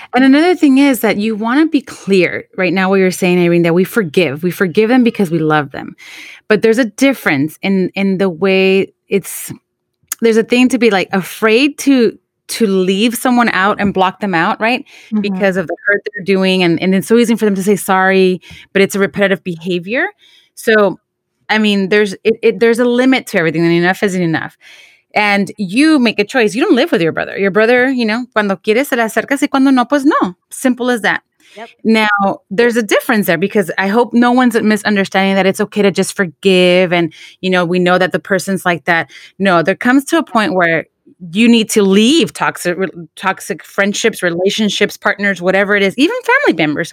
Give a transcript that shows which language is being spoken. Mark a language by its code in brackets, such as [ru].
[en] And another thing is that you want to be clear right now, what you're saying, Irene, that we forgive them because we love them, but there's a difference in the way it's, there's a thing to be like afraid to leave someone out and block them out, right? Mm-hmm. Because of the hurt they're doing. And it's so easy for them to say sorry, but it's a repetitive behavior. So, I mean, there's a limit to everything, and enough isn't enough. And you make a choice. You don't live with your brother. Your brother, you know, [es] cuando quieres se le acercas y cuando no, pues no. [en] Simple as that. Yep. Now, there's a difference there, because I hope no one's misunderstanding that it's okay to just forgive. And, you know, we know that the person's like that. No, there comes to a point where you need to leave toxic friendships, relationships, partners, whatever it is, even family members.